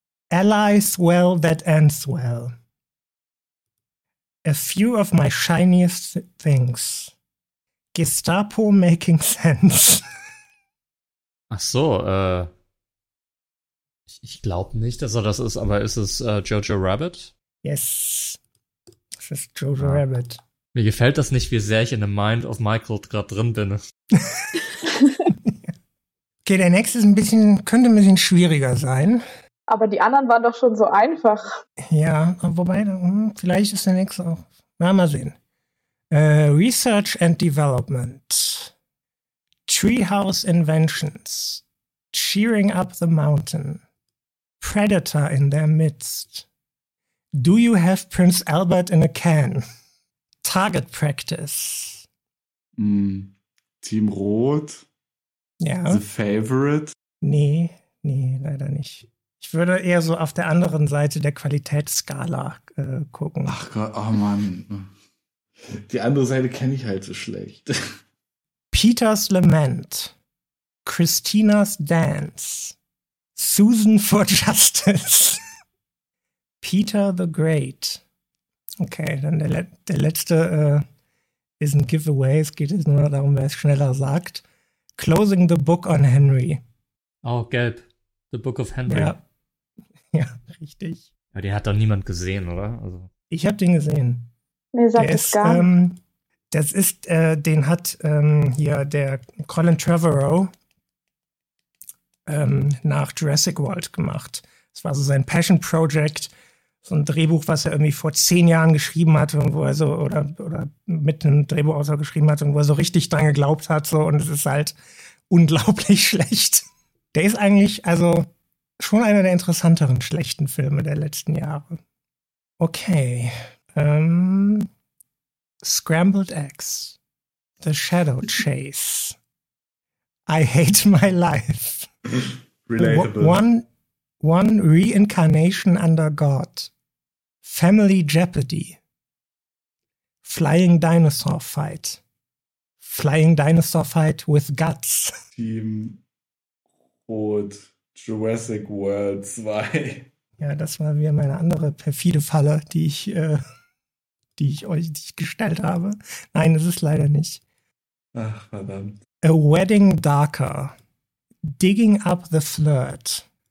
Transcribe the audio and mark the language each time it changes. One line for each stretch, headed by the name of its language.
English: Allies well that ends well. A few of my shiniest things. Gestapo making sense.
German: Ach so, ich glaube nicht, dass er das ist, aber ist es Jojo Rabbit?
English: Yes,
German: es ist Jojo Rabbit. Mir gefällt das nicht, wie sehr ich in The Mind of Michael gerade drin bin. Okay, der nächste ist könnte ein bisschen schwieriger sein. Aber die anderen waren doch schon so einfach. Ja, wobei, vielleicht ist der nächste auch. Na, mal sehen.
English: Research and Development. Treehouse Inventions. Cheering up the mountain. Predator in their midst. Do you have Prince Albert in a can? Target practice.
German: Team Rot? Ja.
English: The Favorite?
German: Nee, leider nicht. Ich würde eher so auf der anderen Seite der Qualitätsskala gucken. Ach Gott, oh Mann. Die andere Seite kenne ich halt so schlecht.
English: Peter's Lament. Christina's Dance. Susan for Justice. Peter the Great.
German: Okay, dann der letzte ist ein Giveaway. Es geht jetzt nur darum, wer es schneller sagt.
English: Closing the Book on Henry.
German: Oh, gelb. The Book of Henry. Ja, richtig. Aber den hat doch niemand gesehen, oder? Also. Ich habe den gesehen. Mir sagt es gar nicht. Das ist, den hat hier der Colin Trevorrow nach Jurassic World gemacht. Das war so sein Passion Project, so ein Drehbuch, was er irgendwie vor 10 Jahren geschrieben hatte und wo er so, oder mit einem Drehbuchautor geschrieben hatte und wo er so richtig dran geglaubt hat, so, und es ist halt unglaublich schlecht. Der ist eigentlich, also schon einer der interessanteren schlechten Filme der letzten Jahre. Okay.
English: Scrambled Eggs. The Shadow Chase. I Hate My Life. Relatable. One Reincarnation Under God. Family Jeopardy. Flying Dinosaur Fight. Flying Dinosaur Fight with Guts.
German: Team Rot. Jurassic World 2. Ja, das war wieder meine andere perfide Falle, die ich euch gestellt habe. Nein, es ist leider nicht. Ach, verdammt.
English: A Wedding Darker. Digging Up the Flirt.